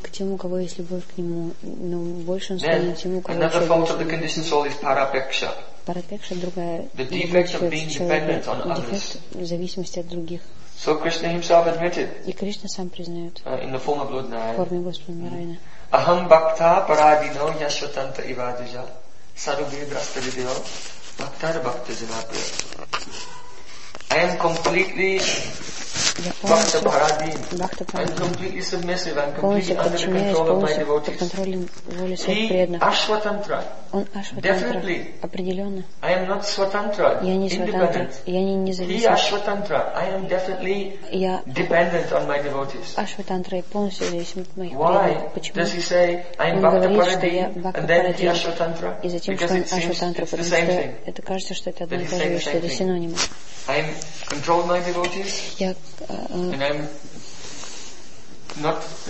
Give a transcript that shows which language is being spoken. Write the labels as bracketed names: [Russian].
[Russian] к тем, у кого есть любовь к нему, но больше он склонен к тем, у кого есть любовь к нему. [English] Another fault of the conditioned soul is parapeksha. [Russian] Парапекша другая. [English] The defect of being dependent on others. [Russian] Дефект в зависимости от других. [English] So Krishna himself admitted. [Russian] И Кришна сам признает. [English] In the form of Lord Narayana. [Russian] В форме Господа Нараяны. [Sanskrit] Aham bhakta paradino yashvatanta ivadija sarubhidrasta vidyo bhaktar bhakta jivapriya. [English] I am completely bhakta paradino. I am completely submissive. I am completely under the control of my devotees. He ashvatantra. Definitely. [Russian] Определенно. [English] I am not svatantra. Independent. He ashvatantra. I am definitely dependent on my devotees. Ashvatantra. Why does he say I am bhakta paradino and then he ashvatantra? Because it seems it's the same thing. [Russian] Это кажется, что это одно и то же, что это синонимы. [English] I am controlled my devotees, and I'm not.